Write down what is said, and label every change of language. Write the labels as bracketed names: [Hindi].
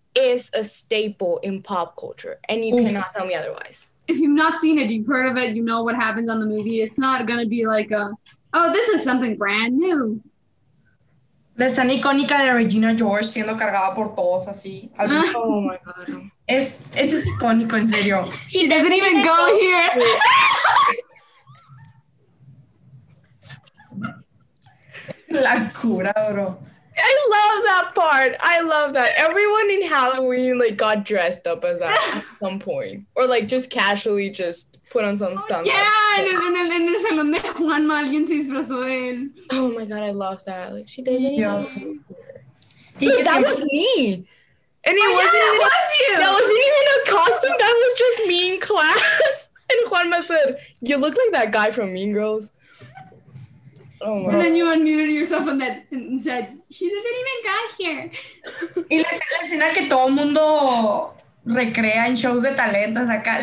[English] is a staple in pop culture, and you cannot tell me otherwise. If you've not seen it, you've heard of it, you know what happens on the movie. It's not gonna be like this is something brand new. [Spanish] La escena icónica de Regina George siendo cargada por todos así. [English] Oh my god. [Spanish] Es icónico, en serio. [English] She doesn't even go here. [Spanish] La cura, bro. [English] I love that part. I love that. Everyone in Halloween like got dressed up as that at some point. Or like just casually just put on some sunglasses. [Spanish] Yeah, en el salón de Juanma alguien se disfrazó de él. [English] Oh my god, I love that. Like she did anything. Yeah. That was me. And it wasn't you. That wasn't even a costume. That was just me in class. And Juanma said, "You look like that guy from Mean Girls." Oh, and then you unmuted yourself on that and said, "She doesn't even got here." [Spanish] Y la escena que todo mundo recrea en shows de talento, acá